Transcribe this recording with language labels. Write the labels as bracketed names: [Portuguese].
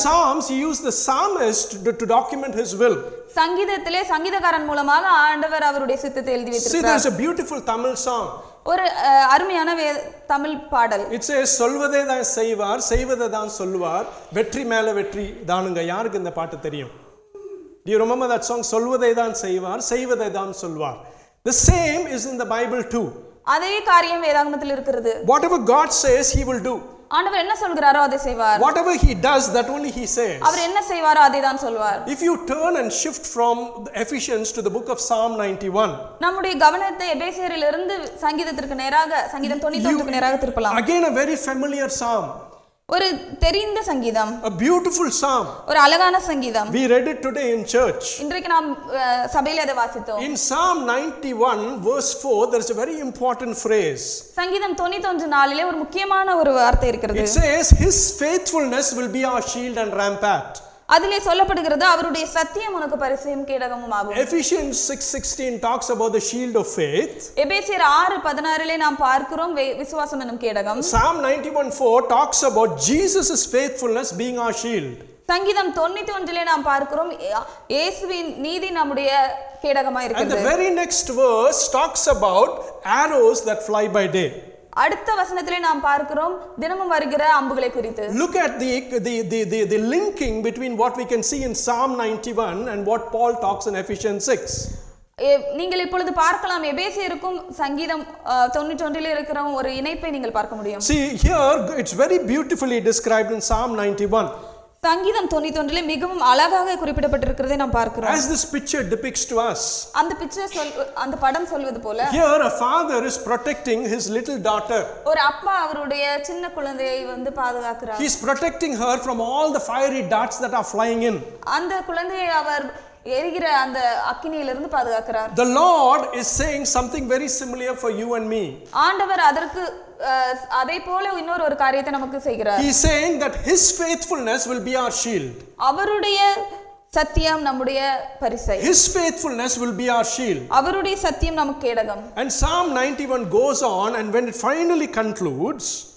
[English] In Psalms he used the psalmist to document his will. [Tamil] சங்கீதத்திலே சங்கீதகாரன் மூலமாக ஆண்டவர் அவருடைய சித்தத்தை எழுதி வைத்திருக்கிறார். [English] See, there's a beautiful Tamil song. [Tamil] ஒரு அருமையான தமிழ் பாடல். [English] It says [Tamil] சொல்வதே தான் செய்வார் செய்வதே தான் சொல்வார் வெற்றி மேல வெற்றி தானுங்க. யாருக்கு இந்த பாட்டு தெரியும்? [English] Do you remember that song? [Tamil] சொல்வதே தான் செய்வார் செய்வதே தான் சொல்வார். [English] The same is in the Bible too. [Tamil] அதே காரியம் வேதாகமத்தில் இருக்கிறது. [English] Whatever God says he will do. [Tamil] ஆண்டவர் என்ன சொல்கிறாரோ அதை செய்வார். [English] Whatever he does, that only he says. [Tamil] அவர் என்ன செய்வாரோ அதை தான் சொல்வார். [English] If you turn and shift from the Ephesians to the book of Psalm 91. [Tamil] நம்முடைய கவனத்தை எபேசியரிலிருந்து சங்கீதத்திற்கு நேராக, சங்கீதம் 91க்கு நேராக திருப்பலாம். [English] Again a very familiar psalm. [Tamil] ஒரு தெரிந்த சங்கீதம். [English] A beautiful psalm. [Tamil] ஒரு அழகான சங்கீதம். [English] We read it today in church. [Tamil] இன்றைக்கு நாம் சபையில் அதை வாசித்தோம். [English] In Psalm 91 verse 4 there is a very important phrase. [Tamil] சங்கீதம் 91:4 ஒரு முக்கியமான ஒரு வார்த்தை இருக்கிறது. [English] It says his faithfulness will be our shield and rampart. [Tamil] அதிலே சொல்லப்படுகிறது அவருடைய சத்தியம் உனக்கு பரிசையும் கேடகமும் ஆகும். [English] Ephesians 6:16 talks about the shield of faith. [Tamil] எபேசியர் 6:16 நாம் பார்க்கிறோம் விசுவாசம் என்னும் கேடகம். [English] Psalm 91:4 talks about Jesus's faithfulness being our shield. [Tamil] சங்கீதம் 91:1 நாம் பார்க்கிறோம் இயேசுவின் நீதி நம்முடைய கேடகமாய் இருக்கிறது. [English] And the very next verse talks about arrows that fly by day. [Tamil] அடுத்த வசனத்திலே நாம் பார்க்கிறோம் தினமும் வருகிற அம்புகளை குறித்து. [English] Look at the linking between what we can see in Psalm 91 and what Paul talks in Ephesians 6. [Tamil] நீங்கள் இப்பொழுது பார்க்கலாம் எபேசியருக்கும் சங்கீதம் 91 இருக்கிற ஒரு இணைப்பை நீங்கள் பார்க்க முடியும். [English] See here it's very beautifully described in Psalm 91. [Tamil] சங்கீதம் 91 மிகவும் அழகாக குறிப்பிடப்பட்டிருக்கிறதை நாம் பார்க்கிறோம். [English] As this picture depicts to us. [Tamil] அந்த பிக்சர் அந்த படம் சொல்வது போல. [English] Here a father is protecting his little daughter. [Tamil] ஒரு அப்பா அவருடைய சின்ன குழந்தையை வந்து பாதுகாக்கிறார். [English] He is protecting her from all the fiery darts that are flying in. [Tamil] அந்த குழந்தையை அவர் எரிகிற அந்த அக்கினியிலிருந்து பாதுகாக்கிறார். [English] The Lord is saying something very similar for you and me. [Tamil] ஆண்டவர் அதற்கு அதே போல இன்னொரு ஒரு காரியத்தை நமக்கு செய்கிறார். [English] He is saying that his faithfulness will be our shield. [Tamil] அவருடைய சத்தியம் நம்முடைய பரிசை. [English] His faithfulness will be our shield. [Tamil] அவருடைய சத்தியம் நமக்கு கேடகம். [English] And Psalm 91 goes on and when it finally concludes.